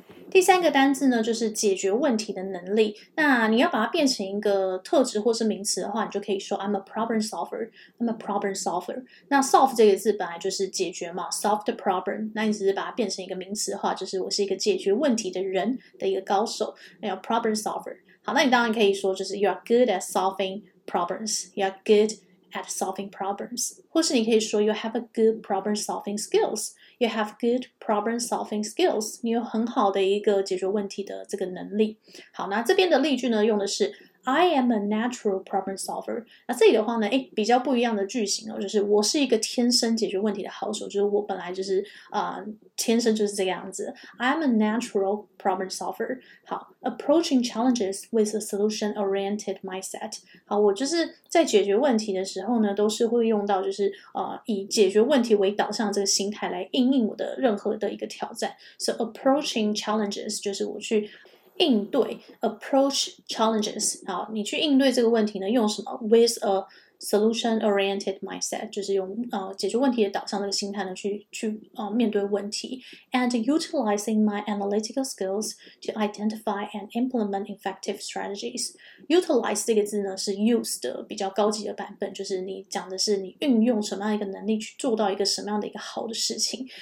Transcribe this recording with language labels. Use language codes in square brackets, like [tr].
[zh] 第三个单字呢就是解决问题的能力。那你要把它变成一个特质或是名词的话，你就可以说 [en] I'm a problem solver， I'm a problem solver。 [zh] 那 solve 这个字本来就是解决嘛， [en] solve the problem， [zh] 那你只是把它变成一个名词的话，就是我是一个解决问题的人的一个高手，那 problem solver。好，那你当然可以说就是 [en] you are good at solving problems， you are good at solving problems， [zh] 或是你可以说 [en] you have a good problem solving skills，You have good problem solving skills， [zh] 你有很好的一个解决问题的这个能力。好，那这边的例句呢用的是 [en] I am a natural problem solver。 [zh] 那这里的话呢比较不一样的句型哦，就是我是一个天生解决问题的好手，就是我本来就是、天生就是这个样子。 [en] I am a natural problem solver。 [zh] 好， [en] approaching challenges with a solution oriented mindset。 [zh] 好，我就是在解决问题的时候呢都是会用到就是、以解决问题为导向这个心态来应应我的任何的一个挑战。 So approaching challenges 就是我去应对 approach challenges。好，你去应对这个问题呢用什么， [en] with a solution oriented mindset， [zh] 就是用、解决问题的导向这个心态呢去、面对问题。 [en] And utilizing my analytical skills to identify and implement effective strategies。 [zh] Utilize 这个字呢是 use 的比较高级的版本，就是你讲的是你运用什么样的一个能力去做到一个什么样的一个好的事情。